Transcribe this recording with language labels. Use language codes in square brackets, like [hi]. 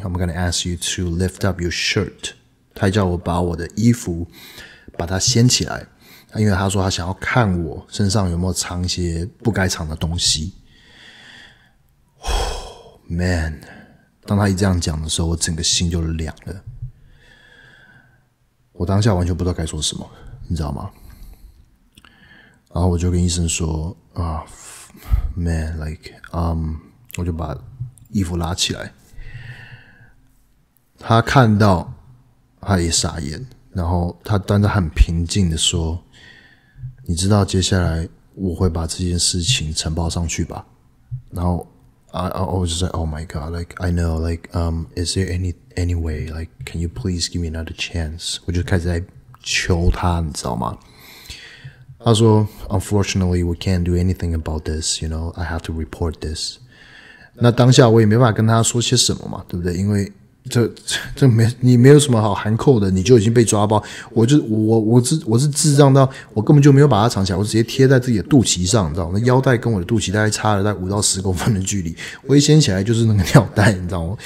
[en] I'm gonna ask you to lift up your shirt. [zh] 他叫我把我的衣服把它掀起来，因为他说他想要看我身上有没有藏一些不该藏的东西。 Man， 当他一这样讲的时候，我整个心就凉了。我当下完全不知道该说什么，你知道吗？然后我就跟医生说啊、，man，like。我就把衣服拉起来，他看到他也傻眼，然后他端着很平静的说，你知道接下来我会把这件事情呈报上去吧，然后 [en] I was just like oh my god like I know like is there any way like can you please give me another chance， [zh] 我就开始在求他，你知道吗？ [en] 他说 unfortunately we can't do anything about this， you know I have to report this。 [zh] 那当下我也没办法跟他说些什么嘛，对不对？因为这你没有什么好含扣的，你就已经被抓包。我是智障到我根本就没有把它藏起来，我直接贴在自己的肚脐上，你知道吗？那腰带跟我的肚脐大概差了在5到10公分的距离，我一掀起来就是那个尿袋，你知道吗？